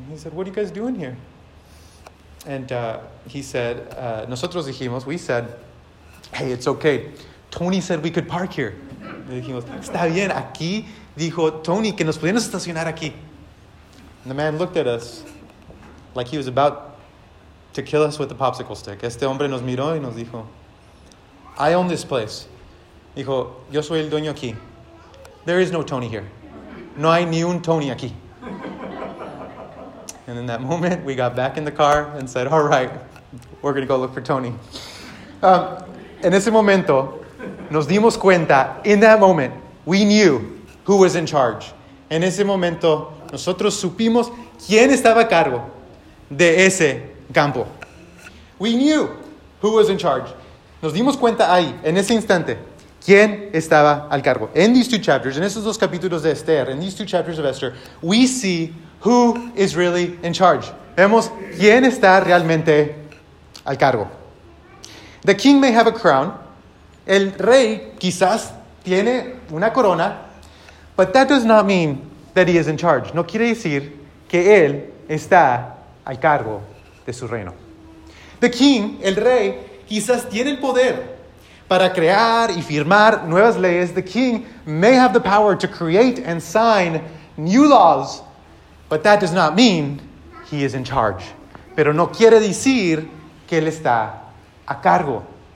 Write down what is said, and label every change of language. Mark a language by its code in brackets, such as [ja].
[en] He said, what are you guys doing here? And he said, [es] nosotros dijimos, [en] we said, hey, it's okay. Tony said we could park here. [es] Y dijimos, está bien, aquí dijo Tony que nos podíamos estacionar aquí. [en] And the man looked at us like he was about to kill us with a popsicle stick. [es] Este hombre nos miró y nos dijo, [en] I own this place. [es] Dijo, yo soy el dueño aquí. [en] There is no Tony here. [es] No hay ni un Tony aquí. [en] And in that moment, we got back in the car and said, all right, we're going to go look for Tony. [es] En ese momento, nos dimos cuenta, [en] in that moment, we knew who was in charge. [es] En ese momento, nosotros supimos quién estaba a cargo de ese campo. [en] We knew who was in charge. [es] Nos dimos cuenta ahí, en ese instante, quién estaba al cargo. [en] In these two chapters, [es] en esos dos capítulos de Esther, [en] in these two chapters of Esther, we see who is really in charge. [es] Vemos quién está realmente al cargo. [en] The king may have a crown. [es] El rey quizás tiene una corona. [en] But that does not mean that he is in charge. [es] No quiere decir que él está al cargo de su reino. [en] The king, [es] el rey, quizás tiene el poder para crear y firmar nuevas leyes. [en] The king may have the power to create and sign new laws, but that does not mean he is in charge. [es] Pero no quiere decir que él está a cargo.